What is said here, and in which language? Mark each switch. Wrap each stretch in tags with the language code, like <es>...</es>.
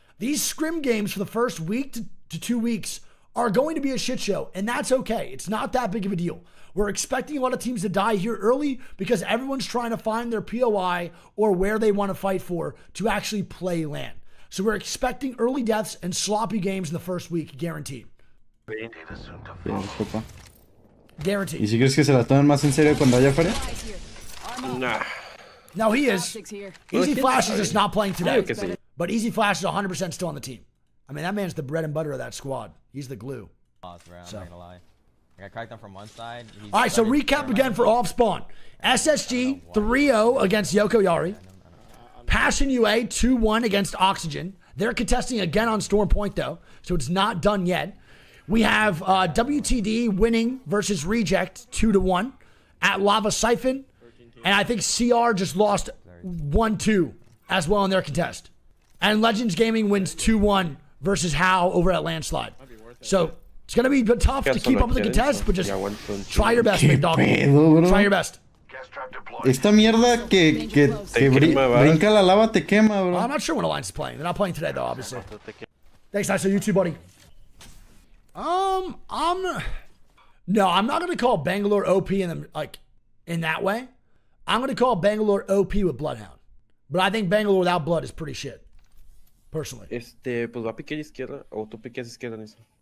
<en>These scrim games for the first week to 2 weeks are going to be a shit show, and that's okay. It's not that big of a deal. We're expecting a lot of teams to die here early because everyone's trying to find their POI or where they want to fight for to actually play LAN. So we're expecting early deaths and sloppy games in the first week, guaranteed. Guaranteed.</en> <es>¿Y si crees que se la tomen más en serio cuando allá afuera?</es> <en>Nah. No, he is. Easy Flash is just not playing today. But Easy Flash is 100% still on the team. I mean, that man's the bread and butter of that squad. He's the glue. So. I got cracked them from one side. All right, so recap again for off spawn. SSG 3-0 against Yoko Yari. Passion UA 2-1 against Oxygen. They're contesting again on Storm Point, though, so it's not done yet. We have WTD winning versus Reject 2-1 at Lava Siphon. And I think CR just lost 1-2 as well in their contest. And Legends Gaming wins 2-1 versus Howe over at Landslide. So. It's going to be tough to keep up with the contest, but just try your best, McDonald. Try your best.</en> <es>Esta mierda que brinca la lava te quema, bro.</es> <en>I'm not sure when Alliance is playing. They're not playing today, though, obviously. Thanks, Nice. So you too, buddy. I'm not going to call Bangalore OP in that way. I'm going to call Bangalore OP with Bloodhound. But I think Bangalore without blood is pretty shit, personally.</en> <es>Pues va a piquear izquierda o tú piqueas izquierda, Nice.</es>